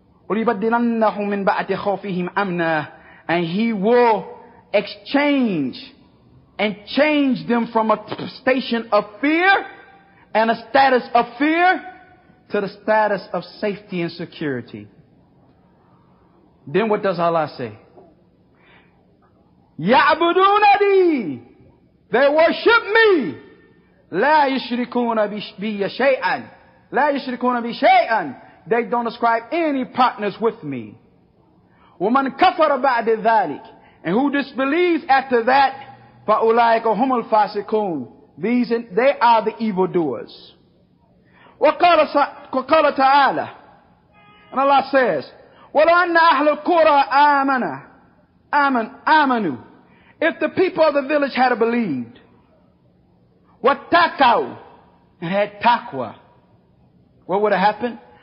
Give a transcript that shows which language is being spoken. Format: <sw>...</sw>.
<ar>وَلِبَدِّلَنَّهُمْ مِنْ بَعْدِ خَوْفِهِمْ أَمْنًا</ar> <en>And He will exchange and change them from a station of fear and a status of fear to the status of safety and security. Then what does Allah say?</en> <ar>يَعْبُدُونَنِي</ar> <en>They worship me.</en> <ar>لَا يُشْرِكُونَ بِي شَيْئًا لَا يُشْرِكُونَ بِي شَيْئًا</ar> <en>They don't ascribe any partners with me.</en> <ar>وَمَنْ كَفَرَ بَعْدِ ذَلِكَ</ar> <en>And who disbelieves after that,</en> <ar>فَأُولَٰئِكَ هُمُ الْفَاسِقُونَ</ar> <en>These, they are the evildoers.</en> <ar>وَقَالَ تَعَالَى</ar> <en>And Allah says,</en> <ar>وَلَوْ أَنَّ أَهْلَ الْقُرَىٰ آمَنُوا</ar> <en>If the people of the village had believed,</en> <ar>وَاتَّقَوْا</ar> <en>And had taqwa, what would have happened?</en>